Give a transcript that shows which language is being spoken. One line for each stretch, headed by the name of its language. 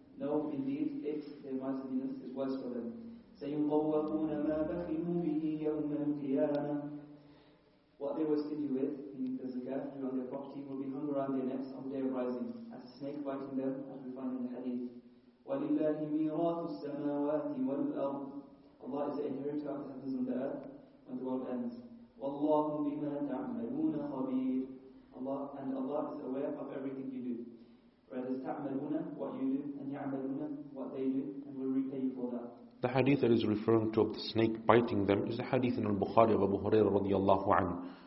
English: No, indeed, it, their miserliness, is worse for them.
Arabic: سيطوقون ما بخلوا به يوم القيامة.
English: What they were stingy with, meaning the zakat due on their property, will be hung around their necks on the day of rising, as a snake biting them, as we find in the hadith.
Arabic: ولله ميراث السماوات والأرض.
English: Allah is the inheritor of the heavens and the earth when the world ends.
Arabic: والله بما تعملون خبير.
English: Allah, and Allah is aware of everything you do. Whereas تعملون, what you do, and يعملون, what they do, and will repay you for that. The hadith that is referring to of the snake biting them is a hadith in al-Bukhari of Abu Hurairah radiallahu anhu.